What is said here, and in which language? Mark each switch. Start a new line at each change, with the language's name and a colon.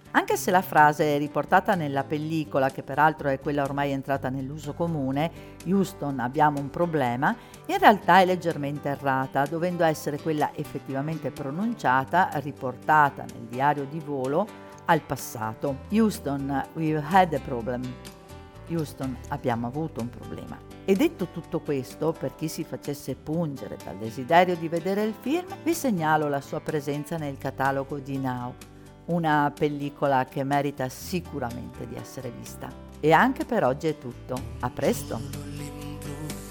Italian: Anche se la frase è riportata nella pellicola, che peraltro è quella ormai entrata nell'uso comune, «Houston, abbiamo un problema», in realtà è leggermente errata, dovendo essere quella effettivamente pronunciata, riportata nel diario di volo, al passato.
English: «Houston, we've had a problem».
Italian: Houston, abbiamo avuto un problema. E detto tutto questo, per chi si facesse pungere dal desiderio di vedere il film, vi segnalo la sua presenza nel catalogo di Now, una pellicola che merita sicuramente di essere vista. E anche per oggi è tutto. A presto!